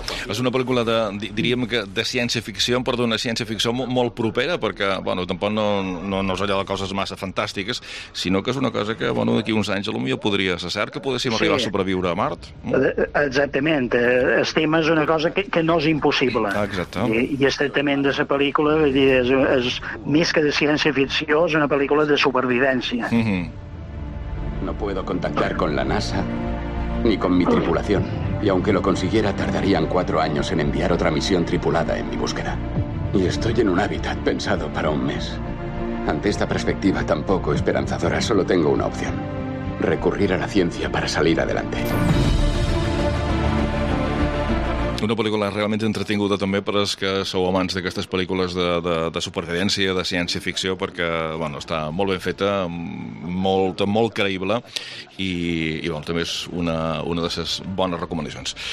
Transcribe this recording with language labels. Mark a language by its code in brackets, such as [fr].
[ca] És una pel·lícula de, diríem que de ciència-ficció, però d'una ciència-ficció molt propera, perquè, bueno, tampoc no és allò de coses massa fantàstiques, sinó que és una cosa que, bueno, d'aquí uns anys potser podria ser cert que poguéssim arribar a sobreviure a Mart. Exactament. El tema és una cosa que no és impossible. Exacte. I el tractament de la pel·lícula, és més que de ciència-ficció, és una pel·lícula de supervivència. [es] No puedo contactar con la NASA ni con mi tripulación. Y aunque lo consiguiera, tardarían 4 años en enviar otra misión tripulada en mi búsqueda. Y estoy en un hábitat pensado para un mes. Ante esta perspectiva tan poco esperanzadora, solo tengo una opción. Recurrir a la ciencia para salir adelante. [ca] Una pel·lícula realment entretinguda també per als que sou amants d'aquestes pel·lícules de supervivència, de ciència-ficció, perquè, bueno, està molt ben feta, molt, molt creïble i bueno, també és una de les bones recomanacions.